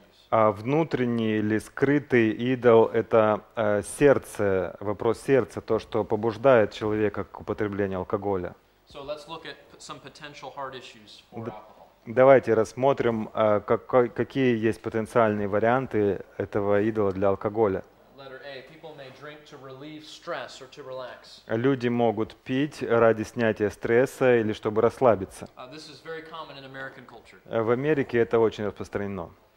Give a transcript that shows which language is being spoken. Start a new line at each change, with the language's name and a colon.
Russian: А внутренний или скрытый идол — это сердце, вопрос сердца, то, что побуждает человека к употреблению алкоголя.
English: So let's look at some potential heart issues for alcohol.
Russian: Давайте рассмотрим, какие есть потенциальные варианты этого идола для алкоголя.
English: Letter A. People may drink to relieve stress or to relax.
Russian: Люди могут пить ради снятия стресса или чтобы расслабиться.
English: This is very common in American culture.
Russian: В Америке это очень распространено.